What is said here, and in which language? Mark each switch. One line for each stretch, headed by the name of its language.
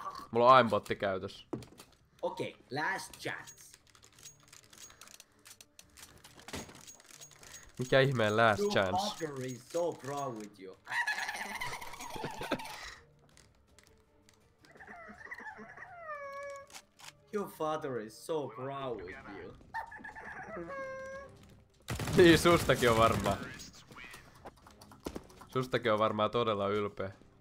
Finnish: Mulla on aimbotti käytös.
English: Okei, okay, last chance.
Finnish: Mikä ihmeen
English: last chance? Your partner is so proud with you. Your father is so proud with you.
Finnish: Niin, sustakin on varmaan. Sustakin on varmaan todella ylpeä.